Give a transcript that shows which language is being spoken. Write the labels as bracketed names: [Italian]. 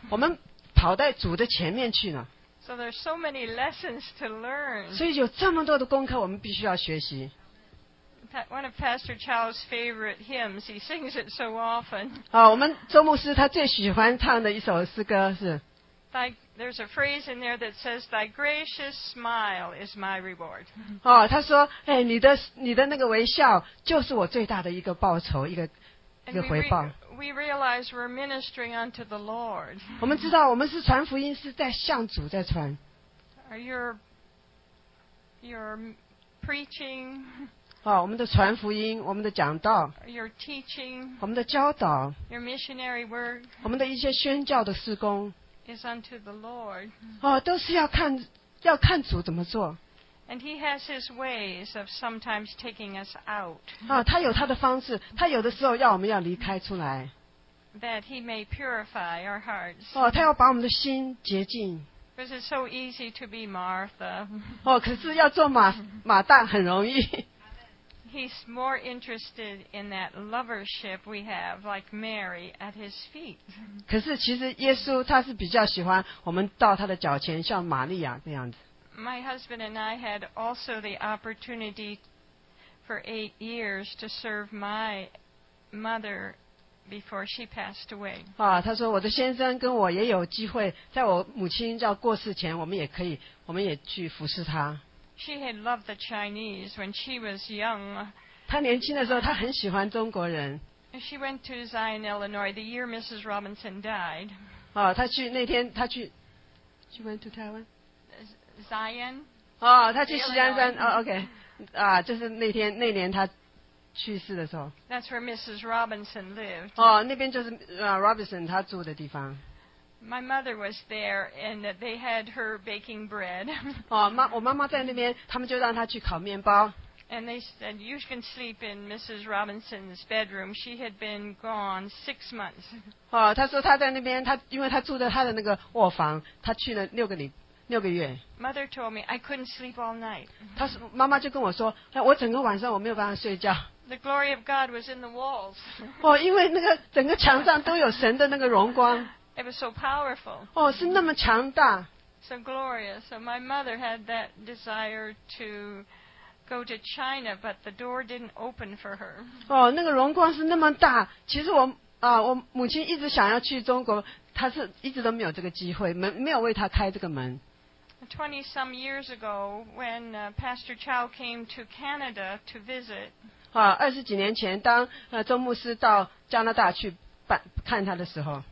[Chinese] 我们跑在主的前面去呢。 [English] So there's so many lessons to learn. [Chinese] 所以有这么多的功课我们必须要学习。 [English] One of Pastor Chow's favorite hymns. He sings it so often. [Chinese] 好，我们周牧师他最喜欢唱的一首诗歌是。 [English] There's a phrase in there that says, "Thy gracious smile is my reward." [Chinese] 哦，他说，哎，你的那个微笑就是我最大的一个报酬，一个回报。 [English] We realize we're ministering unto the Lord. [Chinese] 我们知道我们是传福音，是在向主在传。 [English] Are your preaching? [Chinese] 哦，我们的传福音，我们的讲道， [English] your teaching, [Chinese] 我们的教导， [English] your missionary work, [Chinese] 我们的一些宣教的事工， [English] is unto the Lord. [Chinese] 哦，都是要看主怎么做。 [English] And he has his ways of sometimes taking us out. [Chinese] 哦，他有他的方式，他有的时候要我们要离开出来。 [English] That he may purify our hearts. [Chinese] 哦，他要把我们的心洁净。 [English] Because it's so easy to be Martha. [Chinese] 哦，可是要做马大很容易。 [English] He's more interested in that lovership we have, like Mary, at his feet. [Chinese] 可是其实耶稣他是比较喜欢我们到他的脚前，像玛利亚那样子。 [English] My husband and I had also the opportunity for 8 years to serve my mother before she passed away. [Chinese] 啊，他说我的先生跟我也有机会，在我母亲要过世前，我们也去服侍他。 [English] She had loved the Chinese when she was young. [Chinese] 她年轻的时候，她很喜欢中国人。 [English] She went to Zion, Illinois, the year Mrs. Robinson died. [Chinese] 哦，她去那天，她去。 [English] She went to Taiwan. Zion. [Chinese] 哦，她去锡安山。哦 ，OK， 啊，就是那年她去世的时候。 [English] That's where Mrs. Robinson lived. [Chinese] 哦，那边就是Robinson 她住的地方。 [English] My mother was there, and they had her baking bread. [Chinese] 哦，我妈妈在那边，他们就让她去烤面包。 [English] And they said, "You can sleep in Mrs. Robinson's bedroom." She had been gone 6 months. [Chinese] 哦，她说她在那边，她因为她住在她的那个卧房，她去了六个月。 [English] Mother told me I couldn't sleep all night. [Chinese] 她说妈妈就跟我说，哎，我整个晚上我没有办法睡觉。 [English] The glory of God was in the walls. [Chinese] 哦，因为那个整个墙上都有神的那个荣光。 [English] It was so powerful. [Chinese] 哦，是那么强大。 [English] So glorious. So my mother had that desire to go to China, but the door didn't open for her. [Chinese] 哦，那个荣光是那么大。其实我母亲一直想要去中国，她是一直都没有这个机会，没有为她开这个门。 [English] 20 some years ago, when Pastor Chow came to Canada to visit. [Chinese] 啊，二十几年前，当周牧师到加拿大去看他的时候。